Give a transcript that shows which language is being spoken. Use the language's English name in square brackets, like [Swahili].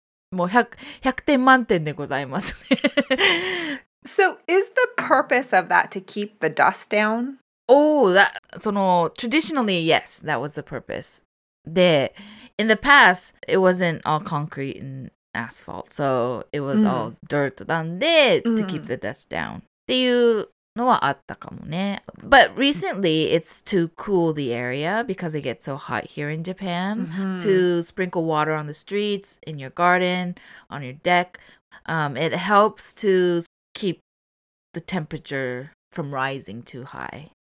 [Japanese] もう 100点満点でございますね。 [English] So is the purpose of that to keep the dust down? Oh, that... その traditionally, yes. That was the purpose. で、in the past, it wasn't all concrete and asphalt, so it was all dirt なんで、to keep the dust down. [Japanese] っていうのはあったかもね。 [English] But recently, it's to cool the area because it gets so hot here in Japan, to sprinkle water on the streets, in your garden, on your deck. It helps to keep the temperature from rising too high.